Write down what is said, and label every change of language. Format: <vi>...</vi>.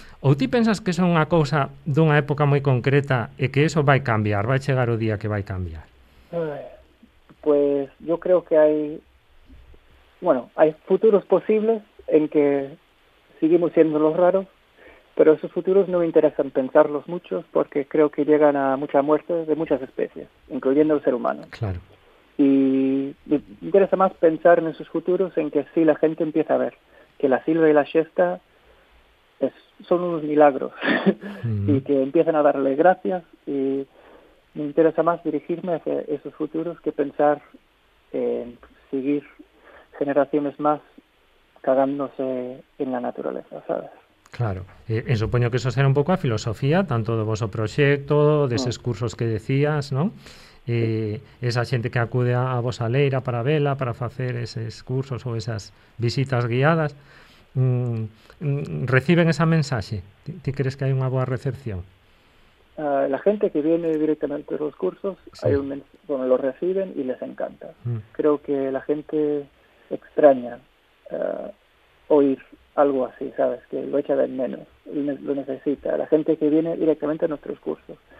<gl>Ou ti pensas que son unha cousa dunha época moi concreta e que eso vai cambiar, vai chegar o día que vai cambiar?</gl> <es>Pues yo creo que hay, bueno, hay futuros posibles en que seguimos siendo los raros, pero esos futuros no me interesan pensarlos mucho porque creo que llegan a mucha muerte de muchas especies, incluyendo el ser humano. Claro. Y me interesa más pensar en esos futuros en que sí, la gente empieza a ver que la silva y la siesta son unos milagros y que empiezan a darle gracias, y me interesa más dirigirme hacia esos futuros que pensar en seguir generaciones más cagándose en la naturaleza, ¿sabes?</es> <gl>Claro, supoño que eso será un pouco a filosofía tanto do vosso proxecto, deses cursos que decías, non? Esa xente que acude a vosa leira para vela, para facer eses cursos ou esas visitas guiadas, reciben esa mensaxe? Ti crees que hai unha boa recepción?</gl> <es>La gente que viene directamente a los cursos, sí. Bueno, lo reciben y les encanta. Creo que la gente extraña oír algo así, ¿sabes? Que lo echa de menos, lo necesita. La gente que viene directamente a nuestros cursos.</es>